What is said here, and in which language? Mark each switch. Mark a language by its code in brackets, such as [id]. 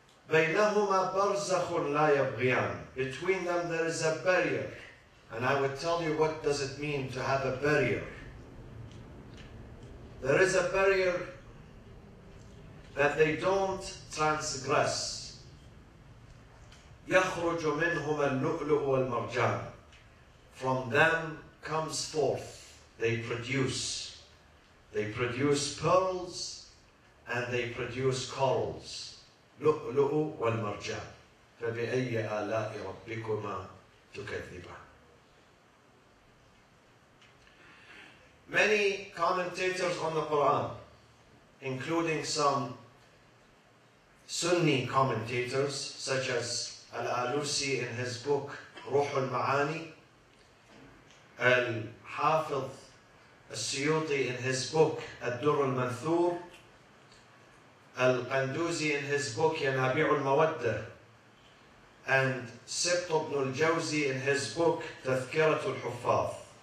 [ar] بَيْنَهُمَا بَرْزَخٌ لَا يَبْغِيَانِ. [en] Between them there is a barrier. And I would tell you, what does it mean to have a barrier? There is a barrier that they don't transgress. [ar] يخرج منهما اللؤلؤ والمرجان. [en] From them comes forth, they produce pearls and they produce corals. [ar] لؤلؤ والمرجان فبأي آلاء ربكما تكذبان. [en] Many commentators on the Quran, including some Sunni commentators such as Al-Alusi in his book Ruh al-Ma'ani, Al-Hafidh Al-Suyuti in his book Ad-Durr al-Manthur, Al-Qanduzi in his book Yanabi' al-Mawadda, and Sibt ibn al-Jawzi in his book Tathkirat al-Huffaz.